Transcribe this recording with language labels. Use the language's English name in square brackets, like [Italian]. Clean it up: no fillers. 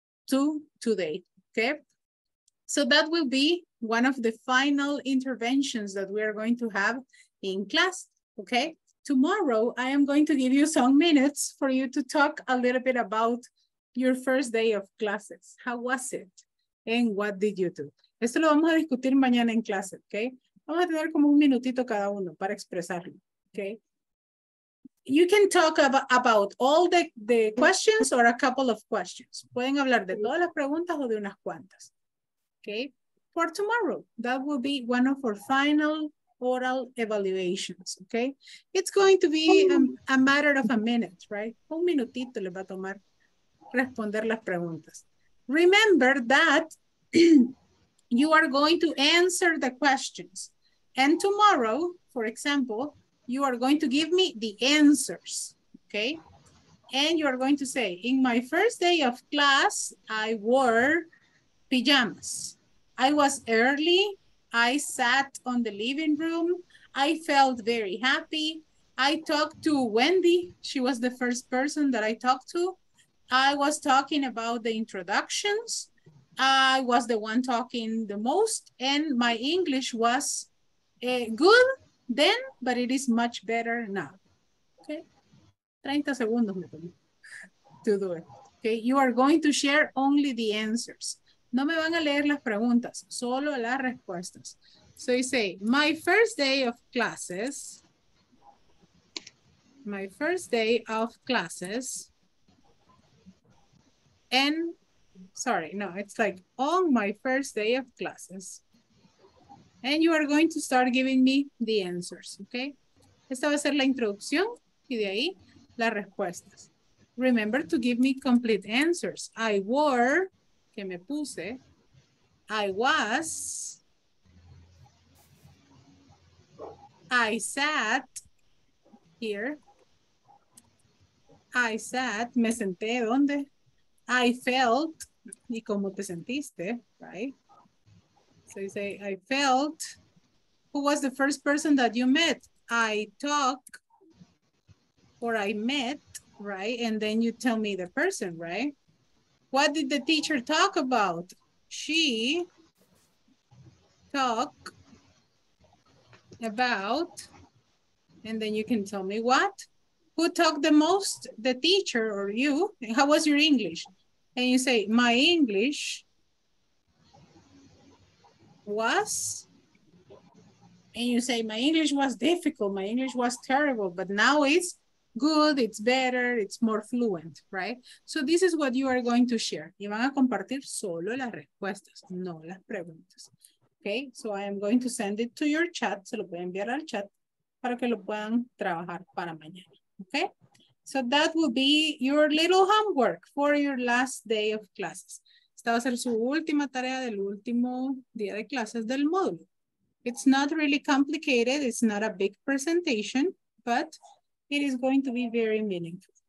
[English] to today, okay? So that will be one of the final interventions that we are going to have in class, okay? Tomorrow, I am going to give you some minutes for you to talk a little bit about your first day of classes. How was it? And what did you do? [Spanish] Esto lo vamos a discutir mañana en clase, okay? Vamos a tener como un minutito cada uno para expresarlo, okay? [English] You can talk about all the questions or a couple of questions. [Spanish] Pueden hablar de todas las preguntas o de unas cuantas, okay? [English] For tomorrow, that will be one of our final oral evaluations, okay? It's going to be a matter of a minute, right? [Spanish] Un minutito le va a tomar responder las preguntas. [English] Remember that you are going to answer the questions. And tomorrow, for example, you are going to give me the answers, okay? And you are going to say, in my first day of class, I wore pajamas. I was early, I sat on the living room, I felt very happy. I talked to Wendy, she was the first person that I talked to. I was talking about the introductions. I was the one talking the most and my English was good then, but it is much better now, okay? [Spanish] 30 segundos [English] to do it, okay? You are going to share only the answers. [Spanish] No me van a leer las preguntas, solo las respuestas. [English] So you say, my first day of classes, my first day of classes, and sorry, no, it's like on my first day of classes. And you are going to start giving me the answers, okay? [Spanish] Esta va a ser la introducción y de ahí las respuestas. [English] Remember to give me complete answers. I wore, [Spanish] que me puse, [English] I was, I sat, [Spanish] me senté, ¿dónde? [English] I felt, [Spanish] y cómo te sentiste, [English] right? So you say, I felt, who was the first person that you met? I talk, or I met, right? And then you tell me the person, right? What did the teacher talk about? She talked about, and then you can tell me what? Who talked the most, the teacher or you? How was your English? And you say, my English was, and you say, my English was difficult, my English was terrible, but now it's good, it's better, it's more fluent, right? So this is what you are going to share. [Spanish] Y van a compartir solo las respuestas, no las preguntas. [English] Okay, so I am going to send it to your chat, [Spanish] se lo voy a enviar al chat para que lo puedan trabajar para mañana, okay? [English] So that will be your little homework for your last day of classes. [Spanish] Esta va a ser su última tarea del último día de clases del módulo. [English] It's not really complicated. It's not a big presentation, but it is going to be very meaningful.